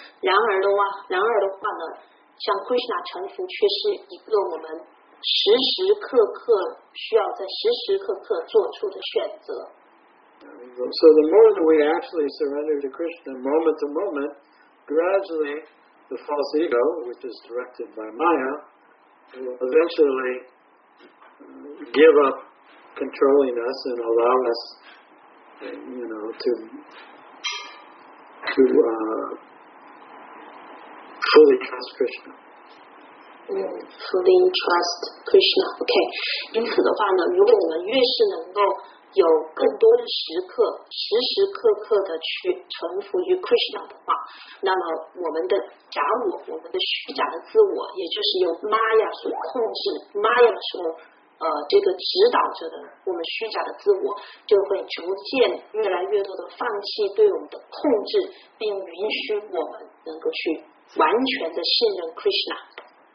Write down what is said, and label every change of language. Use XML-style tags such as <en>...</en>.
<zh>然而的话呢，向 Krishna 臣服却是一个我们时时刻刻需要在时时刻刻做出的选择。</zh> <en>So the more that we actually surrender to Krishna, moment to moment, gradually the false ego, which is directed by Maya, will eventually give up controlling us and allow us, you know, to fully trust Krishna. Fully trust Krishna. Okay.</en> <zh>因此的话呢，如果我们越是能够有更多的时刻，时时刻刻的去臣服于 Krishna 的话，那么我们的假我，我们的虚假的自我，也就是由 Maya 所控制 ，Maya 所这个指导着的我们虚假的自我，就会逐渐越来越多的放弃对我们的控制，并允许我们能够去完全的信任 Krishna。</zh>